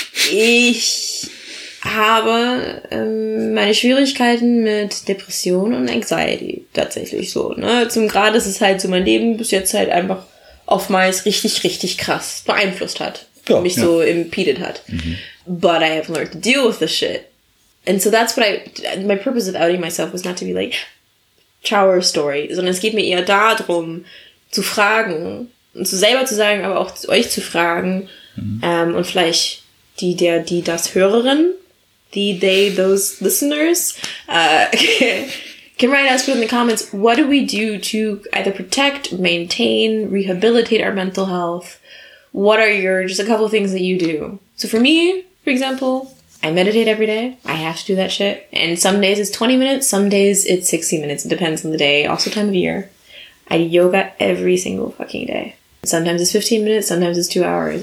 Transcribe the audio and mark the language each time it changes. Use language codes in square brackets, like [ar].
[de] Ich habe meine Schwierigkeiten mit Depression und Anxiety tatsächlich so. Ne? Zum Grad, dass es halt so mein Leben bis jetzt halt einfach oftmals richtig, richtig krass beeinflusst hat. Ja, mich so impeded hat. Mhm. [en] But I have learned to deal with the shit. And so that's what my purpose of outing myself was not to be like... [de] Trauer Story, sondern es geht mir eher darum, zu fragen und zu selber zu sagen, aber auch zu euch zu fragen, und vielleicht die das Hörerin, [en] those listeners, can write us in the comments, what do we do to either protect, maintain, rehabilitate our mental health? What are your, just a couple of things that you do? So for me, for example, I meditate every day. I have to do that shit. And some days it's 20 minutes. Some days it's 60 minutes. It depends on the day. Also time of year. I do yoga every single fucking day. Sometimes it's 15 minutes. Sometimes it's 2 hours.